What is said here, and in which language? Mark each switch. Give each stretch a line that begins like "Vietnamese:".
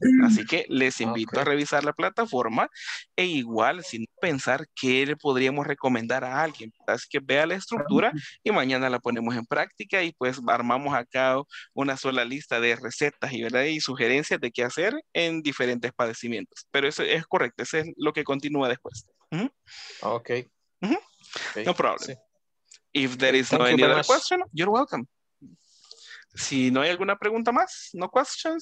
Spanish: Así que les invito a revisar la plataforma e igual sin pensar qué le podríamos recomendar a alguien. Así que vea la estructura y mañana la ponemos en práctica y pues armamos acá una sola lista de recetas y, ¿verdad? Y sugerencias de qué hacer en diferentes padecimientos. Pero eso es correcto, eso es lo que continúa después. Mm-hmm. Okay.
English: Mm-hmm. Okay. No problem.
Spanish: Sí.
English: If there is any other question, you're welcome.
Spanish: Si no hay alguna pregunta más,
English: no questions.